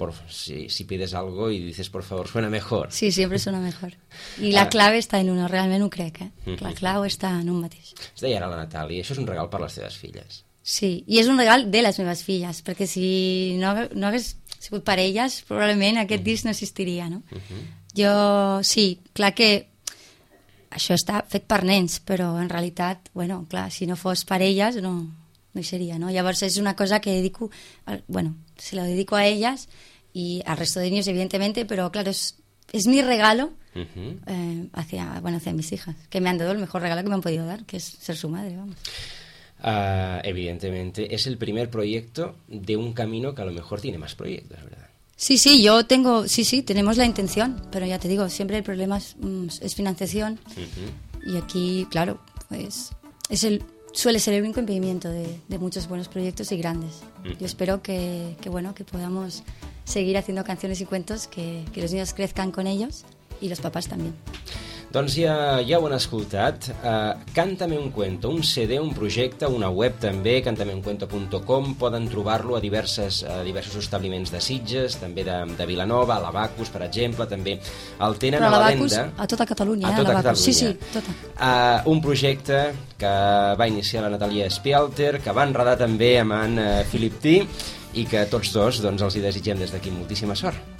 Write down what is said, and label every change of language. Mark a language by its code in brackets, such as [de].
[es] Si pides algo y dices por favor, suena mejor. Sí, siempre suena mejor. [ca] I [es] la clave [ca] està en uno, realment ho crec. La clau està en un mateix. Es deia ara la Natàlia, això és un regal per les teves filles. Sí, i és un regal de les meves filles, perquè si no hagués sigut per elles, probablement aquest disc no existiria, no? Jo, sí, clar que això està fet per nens, però en realitat, bueno, clar, si no fos per elles, no hi seria, no? Llavors és una cosa que dedico, [es] bueno, se la dedico [ca] a elles i [es] al resto de niños, evidentemente, però, claro, és mi regalo hacia mis hijas, que me han dado el mejor regalo que me han podido dar, que es ser su madre, vamos. Evidentemente, es el primer proyecto de un camino que a lo mejor tiene más proyectos, ¿verdad? Sí, sí, yo tengo, sí, sí, tenemos la intención, pero ya te digo, siempre el problema es financiación. Y aquí, claro, pues suele ser el único impedimento de muchos buenos proyectos y grandes. Yo espero que podamos seguir haciendo canciones y cuentos, que los niños crezcan con ellos y los papás también. [ca] Doncs ja ho han escoltat. Cántame un cuento, un CD, un projecte, una web també, cantameuncuento.com. Poden trobar-lo a diversos establiments de Sitges, també de Vilanova, a l'Abacus, per exemple, també el tenen a la venda. A tota Catalunya, l'Abacus. Sí, sí, tota. Un projecte que va iniciar la Natàlia Spielter, que va enredar també amb en Philip T, i que tots dos doncs, els hi desitgem des d'aquí moltíssima sort.